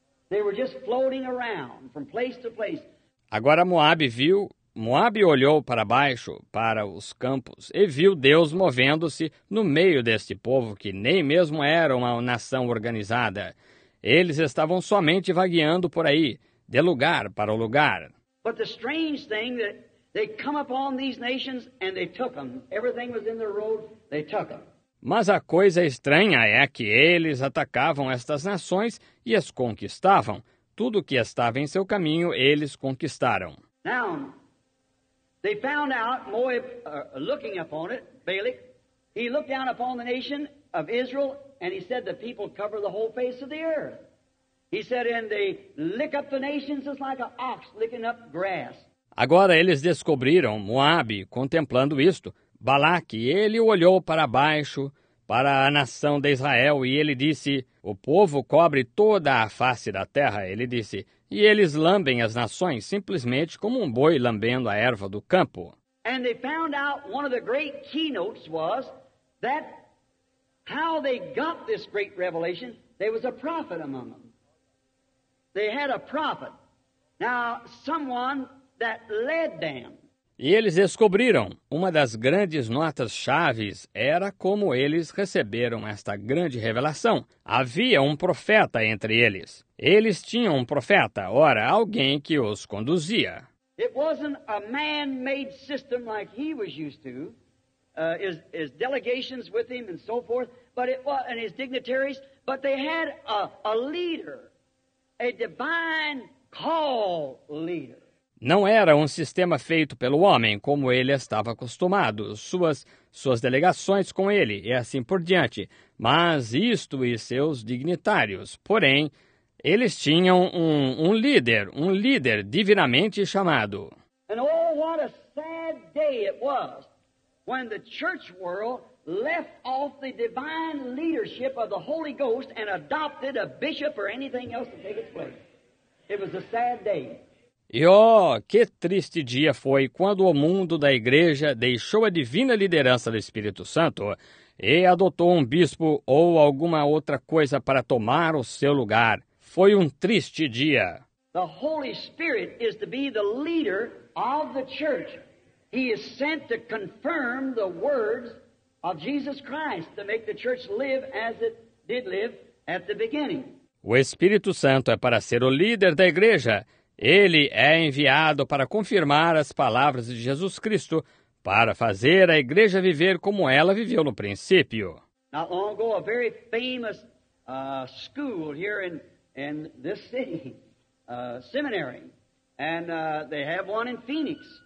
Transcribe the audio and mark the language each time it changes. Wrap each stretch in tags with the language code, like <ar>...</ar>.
<en>They were just floating around from place to place.</en> <pt>Agora Moab olhou para baixo, para os campos, e viu Deus movendo-se no meio deste povo que nem mesmo era uma nação organizada. Eles estavam somente vagueando por aí, de lugar para lugar.</pt> <en>But the strange thing that they come upon these nations and they took them. Everything was in their road, they took them.</en> <pt>Mas a coisa estranha é que eles atacavam estas nações e as conquistavam. Tudo que estava em seu caminho, eles conquistaram.</pt> <en>Now, they found out, Moab, looking upon it, Balak, he looked down upon the nation of Israel and he said the people cover the whole face of the earth. He said, and they lick up the nations just like an ox licking up grass.</en> <pt>Agora eles descobriram, Moab, contemplando isto, Balaque, ele olhou para baixo, para a nação de Israel, e ele disse, o povo cobre toda a face da terra, ele disse, e eles lambem as nações simplesmente como um boi lambendo a erva do campo.</pt> <en>And they found out one of the great keynotes was that how they got this great revelation, there was a prophet among them. They had a prophet. Now, someone that led them.</en> <pt>E eles descobriram, uma das grandes notas chaves era como eles receberam esta grande revelação. Havia um profeta entre eles. Eles tinham um profeta, ora, alguém que os conduzia.</pt> <en>It wasn't a man-made system like he was used to, his delegations with him and so forth, but it was, and his dignitaries, but they had a leader. A divine call leader.</en> <pt>Não era um sistema feito pelo homem, como ele estava acostumado, suas delegações com ele, e assim por diante. Mas isto e seus dignitários. Porém, eles tinham um líder divinamente chamado.</pt> <en>And oh, what a sad day it was when the church world left off the divine leadership of the Holy Ghost and adopted a bishop or anything else to take its place. It was a sad day.</en> <pt>E oh, que triste dia foi quando o mundo da igreja deixou a divina liderança do Espírito Santo e adotou um bispo ou alguma outra coisa para tomar o seu lugar. Foi um triste dia.</pt> <en>The Holy Spirit is to be the leader of the church. He is sent to confirm the words of Jesus Christ to make the church live as it did live at the beginning.</en> <pt>O Espírito Santo é para ser o líder da igreja. Ele é enviado para confirmar as palavras de Jesus Cristo, para fazer a igreja viver como ela viveu no princípio.</pt> <en>Not long ago, a very famous school here in this city, seminary, and they have one in Phoenix.</en>